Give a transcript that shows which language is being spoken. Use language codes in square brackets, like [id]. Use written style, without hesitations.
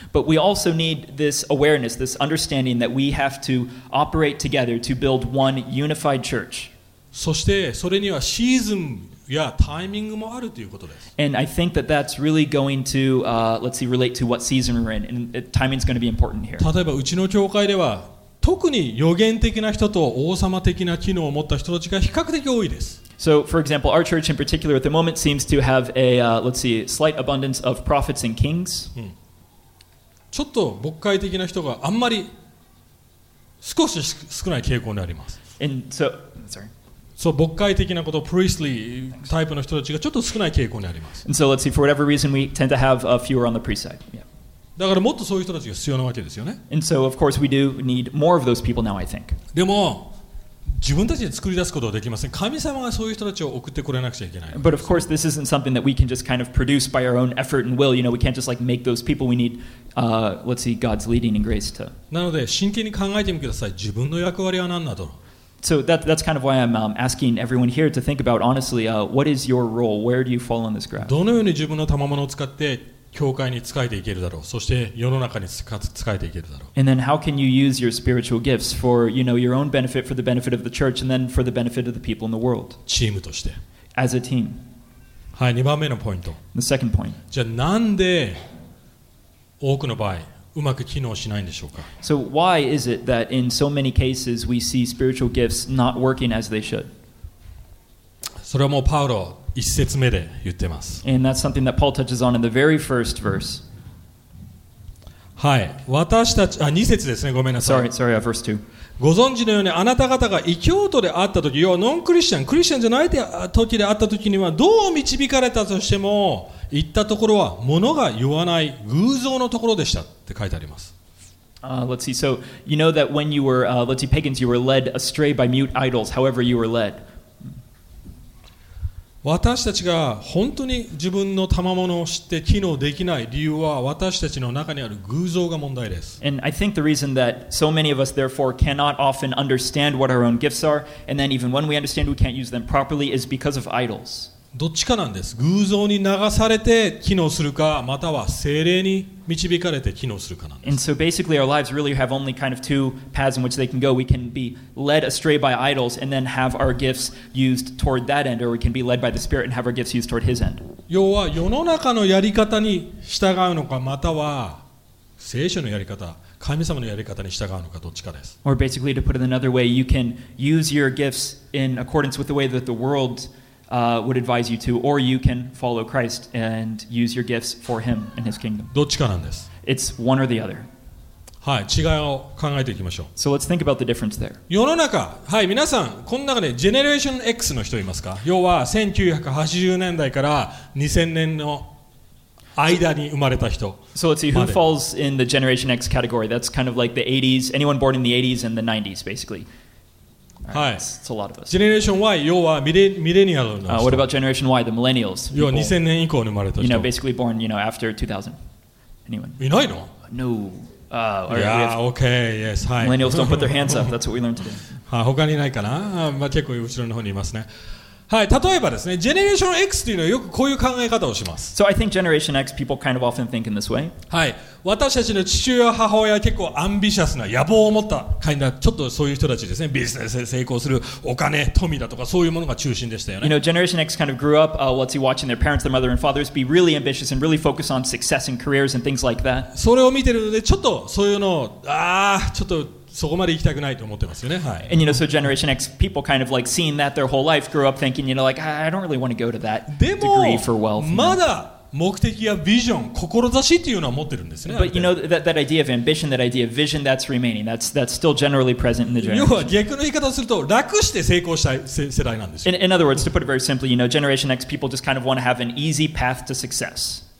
[en] But we also need this awareness, this understanding that we have to operate together to build one unified church. [ja] そしてそれにはシーズン [en] Yeah, timing [ja] もあるということです。 [en] And I think that that's really going to, let's see, relate to what season we're in. And timing is going to be important here. [ja] 例えばうちの教会では特に預言的な人と王様的な機能を持った人たちが比較的多いです。 [en] So, for example, our church in particular at the moment seems to have a, let's see, slight abundance of prophets and kings. [ja] ちょっと牧会的な人があんまり少し少ない傾向にあります。 [en] And so, sorry. [ja] そう、牧会的なこと、priestly タイプの人たちがちょっと少ない傾向にあります。 [en] And so let's see, for whatever reason, we tend to have fewer on the priest side. Yeah. [ja] だからもっとそういう人たちが必要なわけですよね。 [en] And so, of course, we do need more of those people now, I think. [ja] でも、自分たちで作り出すことはできません。神様がそういう人たちを送ってこれなくちゃいけない。 [en] But of course, this isn't something that we can just kind of produce by our own effort and will. You know, we can't just like make those people. We need, let's see, God's leading and grace to. [ja] なので、真剣に考えてみてください。自分の役割は何だと。 [en] So that's kind of why I'm asking everyone here to think about honestly, what is your role? Where do you fall on this graph? [ja] どのように自分の賜物を使って教会に使えていけるだろう、そして世の中に使えていけるだろう。 [en] And then how can you use your spiritual gifts for, you know, your own benefit, for the benefit of the church, and then for the benefit of the people in the world? [ja] チームとして。 [en] As a team. [ja] はい、2番目のポイント。 [en] The second point. [ja] じゃあなんで多くの場合うまく機能しないんでしょうか。 [en] So why is it that in so many cases we see spiritual gifts not working as they should? [ja] それはもうパウロ一節目で言ってます。 [en] And that's something that Paul touches on in the very first verse. [ja] はい、私たち、あ、二節ですね、ごめんなさい。 [en] Sorry, verse 2. [ja] ご存知のようにあなた方が異教徒であったとき、要はノンクリスチャン、クリスチャンじゃないときであったときにはどう導かれたとしても言ったところは物が言わない偶像のところでしたって書いてあります。 [en] Let's see. So you know that when you were, let's see, pagans, you were led astray by mute idols. However, you were led. [ja] 私たちが本当に自分の賜物を知って機能できない理由は私たちの中にある偶像が問題です。 [en] And I think the reason that so many of us therefore cannot often understand what our own gifts are, and then even when we understand we can't use them properly, is because of idols. [ja] どっちかなんです。偶像に流されて機能するか、または聖霊に導かれて機能するかなんです。 [en] And so basically our lives really have only kind of two paths in which they can go. We can be led astray by idols and then have our gifts used toward that end, or we can be led by the Spirit and have our gifts used toward His end. [ja] 要は世の中のやり方に従うのか、または聖書のやり方、神様のやり方に従うのか、どっちかです。 [en] Or basically to put it another way, you can use your gifts in accordance with the way that the worldwould advise you to, or you can follow Christ and use your gifts for Him and His kingdom. [ja] どっちかなんです。 [en] It's one or the other. [ja] はい、違いを考えていきましょう。 [en] So let's think about the difference there. [ja] 世の中、はい、皆さん、この中でジェネレーション X の人いますか？要は1980年代から2000年の間に生まれた人。 [en] So let's see, who falls in the Generation X category? That's kind of like the 80s, anyone born in the 80s and the 90s, basically. [ja] はい、 [en] it's a lot of us. [ja] Generation Y, 要はミレニアルの人。 [en] What about Generation Y, the millennials? [ja] 要は2000年以降に生まれた人。 [en] You know, basically born, you know, after 2000. Anyone? [ja] いないの？ [en] No. Yeah, okay, yes, hi. Millennials don't put their hands up. That's what we learned today. [ja] はい、他にいないかな？まあ、結構後ろの方にいますね。はい、例えばですね、Generation X というのはよくこういう考え方をします。 [en] So I think Generation X people kind of often think in this way. [ja] はい、私たちの父親、母親は結構アンビシャスな、野望を持った、 [en] kind of、 [ja] ちょっとそういう人たちですね、ビジネスで成功する、お金、富だとか、そういうものが中心でしたよね。 [en] You know, Generation X kind of grew up, let's see, watching their parents, their mother and fathers be really ambitious and really focus on success and careers and things like that. [ja] それを見てるので、ちょっとそういうのを、ちょっと、そこまで行きたくないと思ってますよね。はい。 [en] And you know, so Generation X people kind of like seeing that their whole life grew up thinking, you know, like, I don't really want to go to that degree for wealth. [ja] でも、まだ目的やビジョン、志っていうのは持ってるんですね。 [en] But you know, that idea of ambition, that idea of vision, that's remaining. That's still generally present in the generation. [ja] 要は逆の言い方をすると、楽して成功したい世代なんですよ。 [en] In other words, to put it very simply, you know, Generation X people just kind of want to have an easy path to success.